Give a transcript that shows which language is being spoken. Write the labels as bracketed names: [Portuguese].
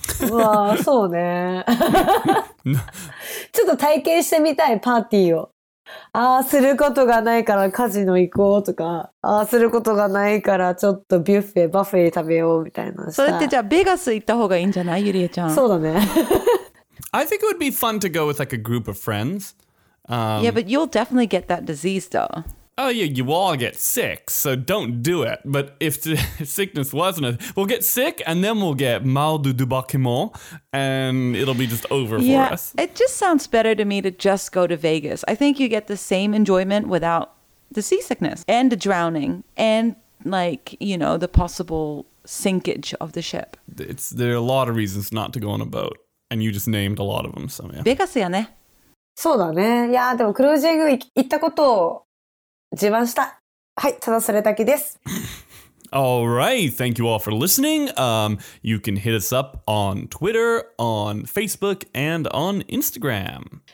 [Japanese] うわあ、そうね。ちょっと体験してみたいパーティーを。ああすることがないからカジノ行こうとかああすることがないからちょっとビュッフェバフェ食べようみたいなそれってじゃあベガス行った方がいいんじゃないゆりえちゃんそうだね [English] I think it would be fun to go with like a group of friends Yeah but you'll definitely get that disease though Oh yeah you all get sick so don't do it But if the sickness wasn't it We'll get sick and then we'll get mal de débarquement And it'll be just over for yeah, us. Yeah, it just sounds better to me to just go to Vegas. I think you get the same enjoyment without the seasickness and the drowning and, like, you know, the possible sinkage of the ship. There are a lot of reasons not to go on a boat, and you just named a lot of them, so yeah. Vegas, yeah, ne? [Japanese] そうだね。いや、でもクルージング行ったことを自慢した。はい、ただそれだけです。 [English] All right. Thank you all for listening. You can hit us up on Twitter, on Facebook, and on Instagram.